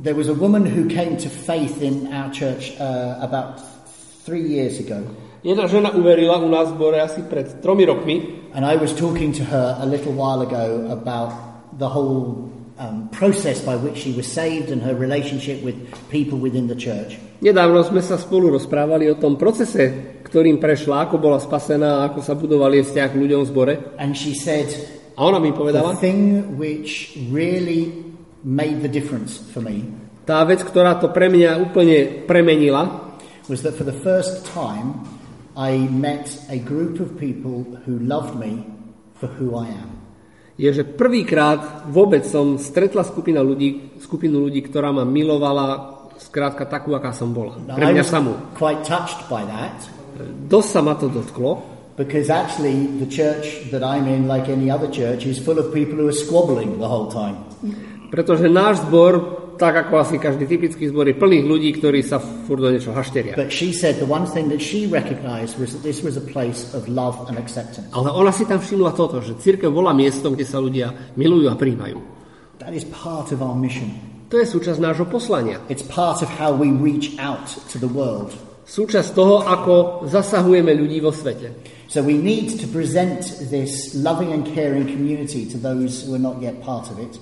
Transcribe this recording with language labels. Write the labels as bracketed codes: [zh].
[en] There was a woman who came to faith in our church about 3 years ago. [sk] Jedna žena uverila u nás v zbore asi pred 3 rokmi. [en] And I was talking to her a little while ago about the whole process by which she was saved and her relationship with people within the church. [sk] Nedávno sme sa spolu rozprávali o tom procese, ktorým prešla, ako bola spasená, ako sa budoval jej vzťah k ľuďom v zbore. [en] And she said, [sk] a ona mi povedala, [en] the thing which really made the difference for me, [sk] tá vec, ktorá to pre mňa úplne premenila, [en] was that for the first time I met a group of people who loved me for who I am. [sk] Je, že prvýkrát vôbec som stretla skupinu ľudí, ktorá ma milovala skrátka takú, aká som bola. Pre mňa samú. [en] Quite touched by that. [sk] Dosť sa ma to dotklo. [en] Because actually the church that I'm in, like any other church, is full of people who are squabbling the whole time. [sk] Pretože náš zbor, tak ako asi každý typický zbor, je plný ľudí, ktorí sa furt do niečo hašteria. [en] But she said the one thing that she recognized was that this was a place of love and acceptance. [sk] Ale ona si tam všimla toto, že cirkev bola miestom, kde sa ľudia milujú a prijímajú. [en] That is part of our mission. [sk] To je súčasť nášho poslania. [en] It's part of how we reach out to the world. [sk] Súčasť toho, ako zasahujeme ľudí vo svete. [en] So we need to present this loving and caring community to those who are not yet part of it.